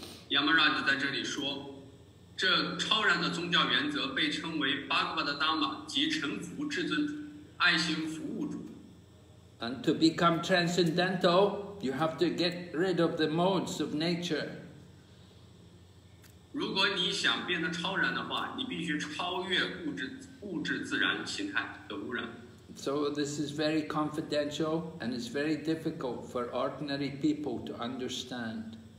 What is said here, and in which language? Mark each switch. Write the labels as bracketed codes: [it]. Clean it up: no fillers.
[zh] Yamaraj 在这里说, 这超然的宗教原则被称为Bhagavad-dharma, 即臣服至尊主, 爱心服务主。 [en] And to become transcendental, you have to get rid of the modes of nature. [zh] 如果你想变得超然的话, 你必须超越物质自然形态的污染。 [en] So this is very confidential and it's very difficult for ordinary people to understand.